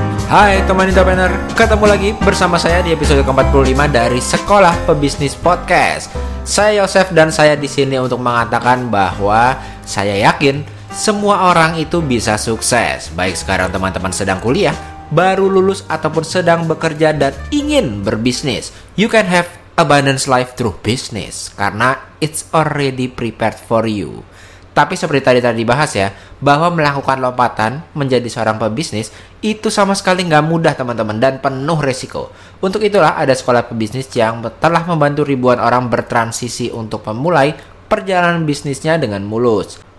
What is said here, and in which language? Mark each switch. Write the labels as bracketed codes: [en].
[id] Hai teman entrepreneur, ketemu lagi bersama saya di episode ke-45 dari Sekolah Pebisnis Podcast. Saya Yosef dan saya di sini untuk mengatakan bahwa saya yakin semua orang itu bisa sukses. Baik sekarang teman-teman sedang kuliah, baru lulus ataupun sedang bekerja dan ingin berbisnis. [en] You can have abundance life through business [id] karena [en] it's already prepared for you. [id] Tapi seperti tadi-tadi bahas ya, bahwa melakukan lompatan menjadi seorang pebisnis itu sama sekali nggak mudah teman-teman dan penuh resiko. Untuk itulah ada sekolah pebisnis yang telah membantu ribuan orang bertransisi untuk memulai perjalanan bisnisnya dengan mulus.